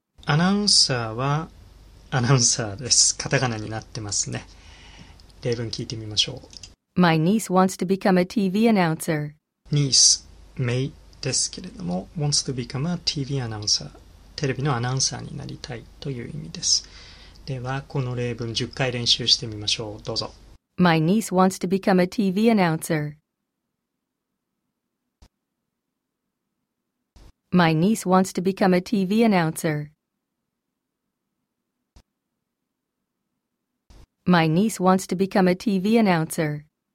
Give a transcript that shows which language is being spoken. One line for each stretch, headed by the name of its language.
Japanese: アナウンサーはアナウンサーです。カタカナになってますね。例文聞いてみましょう。
English: My niece wants to become a TV announcer. Niece,
Japanese: めいですけれども、
English: wants to become a TV announcer.
Japanese: テレビのアナウンサーになりたいという意味です。では、この例文10回練習してみましょう。どうぞ。
English: My niece wants to become a TV announcer. My niece wants to become a TV announcer. My niece wants to become a TV announcer.